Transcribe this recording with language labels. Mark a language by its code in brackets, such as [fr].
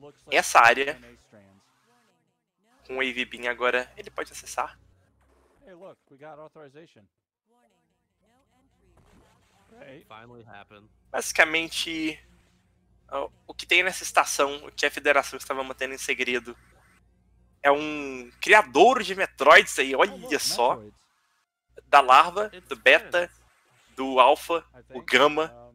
[pt] Essa área com o Wave Beam agora ele pode acessar. [en] Hey, look, we got authorization. Finally happened. [pt] Basicamente, o que tem nessa estação, o que a Federação estava mantendo em segredo. É um criador de Metroids aí, olha só. Da Larva, do Beta, do Alpha, o Gamma.